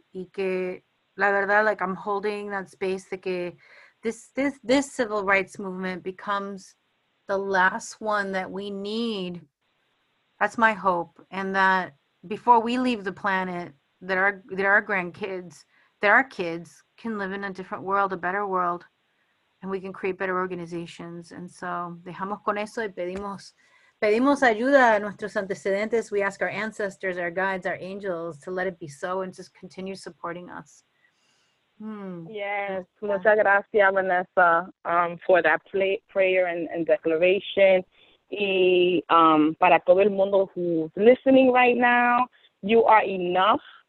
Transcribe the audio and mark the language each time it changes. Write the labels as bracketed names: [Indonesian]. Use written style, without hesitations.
[Spanish] Y que, la verdad, [English] like I'm holding that space [Spanish] de que [English] this civil rights movement becomes the last one that we need. That's my hope. And that before we leave the planet, that our grandkids, that our kids can live in a different world, a better world, and we can create better organizations. And so [Spanish] dejamos con eso y pedimos ayuda a nuestros antecedentes. [English] We ask our ancestors, our guides, our angels to let it be so and just continue supporting us. Yes, [Spanish] muchas gracias, [English] Vanessa, for that prayer and declaration. [Spanish] Y para todo el mundo [English] who's listening right now, you are enough.